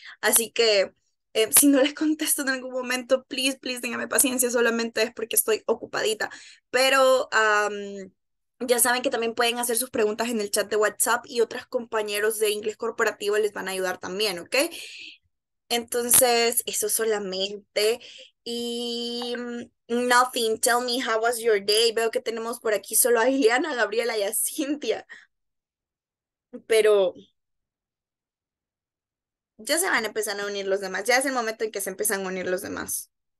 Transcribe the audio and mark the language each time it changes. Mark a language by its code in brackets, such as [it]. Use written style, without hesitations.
[es] Así que si no les contesto en algún momento, [en] please, please, [es] ténganme paciencia, solamente es porque estoy ocupadita. Pero ya saben que también pueden hacer sus preguntas en el chat de WhatsApp y otros compañeros de inglés corporativo les van a ayudar también, ¿ok? Entonces, eso solamente. [en] Y nothing, tell me how was your day. [es] Veo que tenemos por aquí solo a Ileana, Gabriela y a Cintia. Pero ya se van a empezar a unir los demás. Ya es el momento en que se empiezan a unir los demás.